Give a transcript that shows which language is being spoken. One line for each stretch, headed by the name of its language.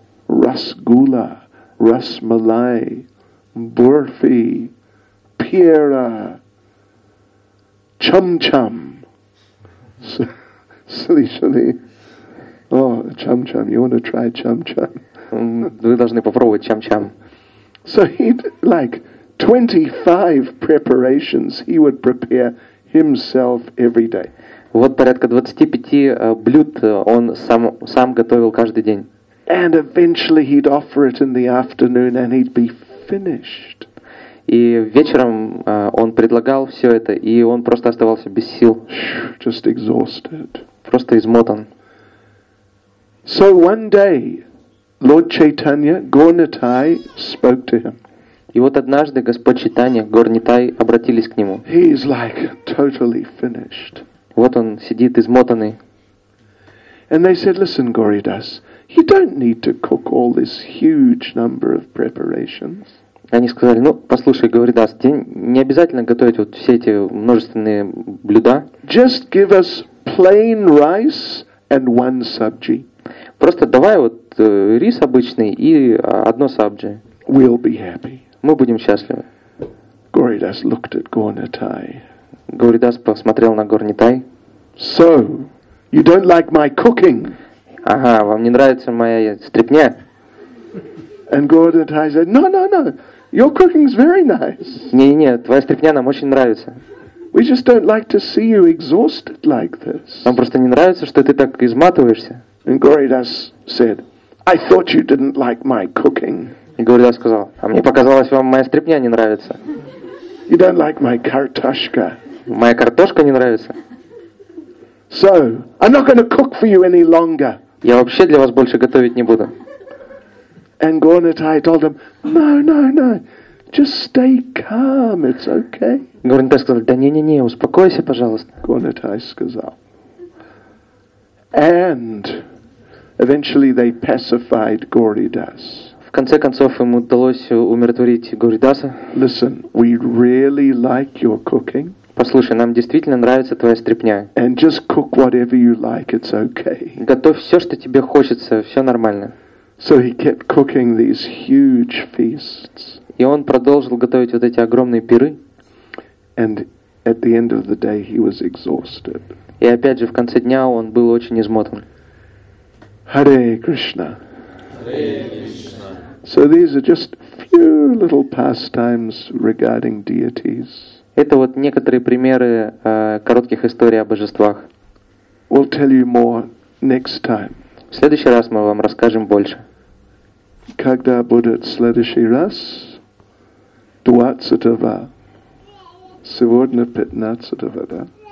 English: Rasgulla, rasmalai, burfi, pira, chum-chum.
Russian: Слышали? О, чам-чам,
English: you want to try
Russian: чам-чам? Вы должны попробовать чам-чам.
English: So he'd, like, 25 preparations he would prepare himself every day.
Russian: Вот порядка 25 блюд он сам готовил каждый день.
English: And eventually he'd offer it in the afternoon and he'd be finished.
Russian: И вечером он предлагал все это, и он просто оставался без сил.
English: Just exhausted.
Russian: Просто измотан.
English: So one day, Lord Chaitanya, Gaur Nitai, spoke to him.
Russian: И вот однажды Господь Чайтанья, Гаур Нитай, обратились к нему.
English: He is like totally finished.
Russian: Вот он сидит измотанный.
English: And they said, listen, Gauridas, you don't need to cook all this huge number of preparations.
Russian: Они сказали, ну, послушай, Гауридас, не обязательно готовить вот все эти множественные блюда.
English: Just give us plain rice and one sabji.
Russian: Просто давай вот рис обычный и одно сабджи.
English: We'll be happy.
Russian: Мы будем счастливы.
English: Gauridas looked at Gaur Nitai.
Russian: Гауридас посмотрел на Гаур Нитай.
English: So, you don't like my cooking?
Russian: Ага, вам не нравится моя стряпня?
English: And Gaur Nitai said, no, your cooking's very nice.
Russian: Не, твоя стряпня нам очень нравится.
English: We just don't like to see you exhausted like this.
Russian: Нам просто не нравится, что ты так изматываешься.
English: And Gauridas said, I thought you didn't like my cooking.
Russian: И Гауридас сказал, а мне показалось, вам моя стряпня не нравится.
English: You don't like my картошка.
Russian: Моя картошка не нравится.
English: So, I'm not going to cook for you any longer.
Russian: Я вообще для вас больше готовить не буду.
English: And Gaur Nitai told him, no, just stay calm, it's okay.
Russian: Gaur Nitai сказал, не, успокойся, пожалуйста.
English: Gaur Nitai
Russian: сказал.
English: And eventually they pacified Gauridas.
Russian: В конце концов им удалось умиротворить Гауридаса.
English: Listen, we really like your cooking.
Russian: Послушай, нам действительно нравится твоя стряпня.
English: And just cook whatever you like, it's okay.
Russian: Готовь все, что тебе хочется, все нормально.
English: So he kept cooking these huge feasts.
Russian: И он продолжил готовить вот эти огромные пиры.
English: And at the end of the day he was exhausted.
Russian: И опять же, в конце дня он был очень измотан.
Sanskrit: Hare Krishna. Hare Krishna.
English: So these are just few little pastimes regarding deities.
Russian: Это вот некоторые примеры коротких историй о божествах.
English: We'll tell you more next time.
Russian: В следующий раз мы вам расскажем больше. Когда будет следующий раз? 20-го. Сегодня 15-го, да?